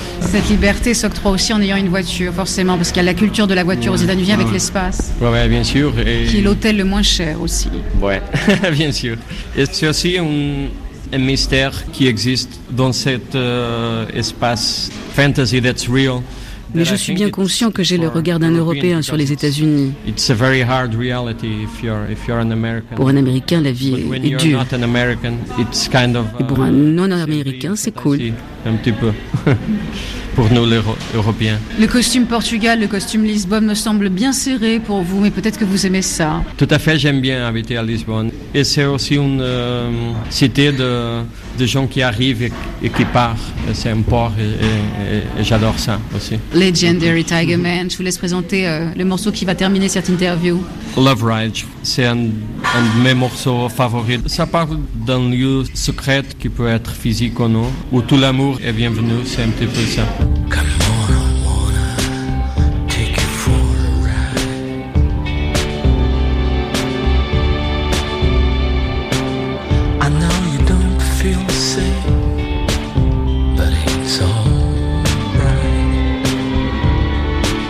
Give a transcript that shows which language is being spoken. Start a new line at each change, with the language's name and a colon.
French: Cette liberté s'octroie aussi en ayant une voiture, forcément, parce qu'il y a la culture de la voiture aux États-Unis avec l'espace. Oui, bien sûr. Et qui est l'hôtel le moins cher aussi. Oui, bien sûr. Et c'est aussi un mystère qui existe dans cet espace
English: fantasy that's real.
French: Mais je suis bien conscient que j'ai le regard d'un Européen sur les États-Unis.
English: It's a very hard reality if you're an American.
French: Pour un Américain, la vie est dure.
English: Not an American, it's kind of,
French: et pour un non-Américain, c'est cool. Un petit peu. Pour nous, les Européens. Le costume Portugal, le costume Lisbonne me semble bien serré pour vous, mais peut-être que vous aimez ça. Tout à fait, j'aime bien habiter à Lisbonne. Et c'est aussi une cité de gens qui arrivent et qui partent. C'est un port et j'adore ça aussi. Legendary Tiger Man, je vous laisse présenter le morceau qui va terminer cette interview. Love Ridge, c'est un de mes morceaux favoris. Ça parle d'un lieu secret qui peut être physique ou non, où tout l'amour est bienvenu, c'est un petit peu ça.
English: Come on, I wanna take you for a ride. I know you don't feel the same, but it's alright.